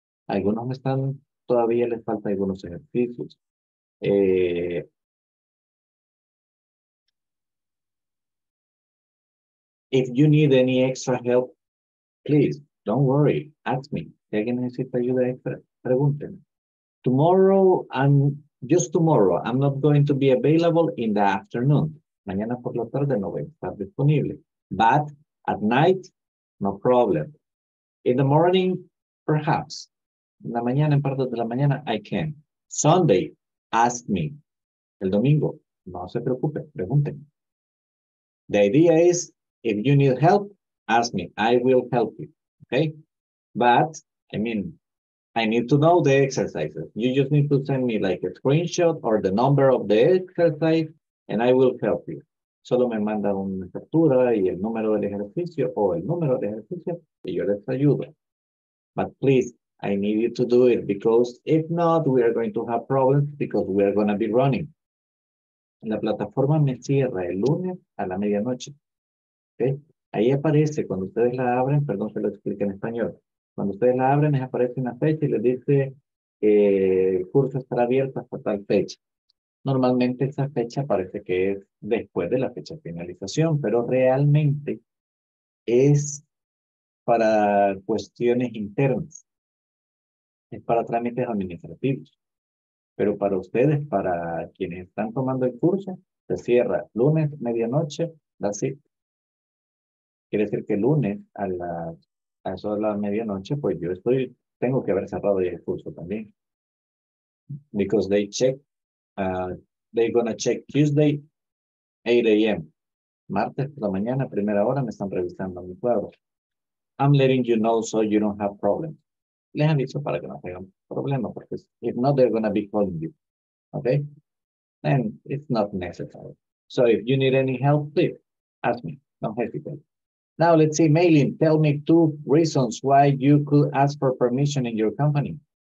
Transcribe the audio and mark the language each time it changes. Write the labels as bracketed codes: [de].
[es] Algunos me están, todavía les falta algunos ejercicios. [en] If you need any extra help, please, don't worry, ask me. [es] Si alguien necesita ayuda extra, pregúntenme. [en] Tomorrow, I'm not going to be available in the afternoon. [es] Mañana por la tarde no voy a estar disponible. [en] But at night, no problem. In the morning, perhaps. [es] En la mañana, en parte de la mañana, [en] I can. Sunday, ask me. [es] El domingo, no se preocupe, pregúntenme. [en] The idea is, if you need help, ask me. I will help you, okay? But, I mean, I need to know the exercises. You just need to send me like a screenshot or the number of the exercise and I will help you. [es] Solo me manda una captura y el número del ejercicio o el número de ejercicio y yo les ayudo. [en] But please, I need you to do it because if not, we are going to have problems because we are going to be running. [es] La plataforma me cierra el lunes a la medianoche. Okay? Ahí aparece cuando ustedes la abren, perdón, se lo explico en español. Cuando ustedes la abren, les aparece una fecha y les dice que el curso estará abierto hasta tal fecha. Normalmente esa fecha parece que es después de la fecha de finalización, pero realmente es para cuestiones internas. Es para trámites administrativos. Pero para ustedes, para quienes están tomando el curso, se cierra lunes, medianoche, así. Quiere decir que lunes a las... A eso de la medianoche, pues yo estoy, tengo que haber cerrado ya el curso también. [en] Because they check, they're gonna check Tuesday, 8 a.m. [es] Martes por la mañana, primera hora, me están revisando mi cuadro. [en] I'm letting you know so you don't have problems. [es] Les han dicho para que no tengan problemas, porque [en] if not, they're gonna be calling you. Okay? And it's not necessary. So if you need any help, please ask me. Don't hesitate. Now, let's see, Maylin, tell me two reasons why you could ask for permission in your company.